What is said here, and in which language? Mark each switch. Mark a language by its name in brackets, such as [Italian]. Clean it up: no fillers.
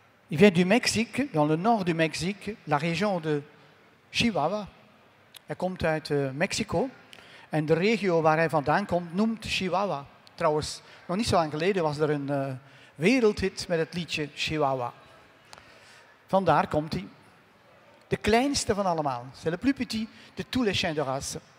[French] Il vient du Mexique, dans le nord du Mexique, la région de Chihuahua. [Dutch] Hij komt uit Mexico en de regio waar hij vandaan komt noemt Chihuahua. Trouwens, nog niet zo lang geleden was er een wereldhit met het liedje Chihuahua. Vandaar komt hij. De kleinste van allemaal. [French] C'est le plus petit de tous les chiens de race.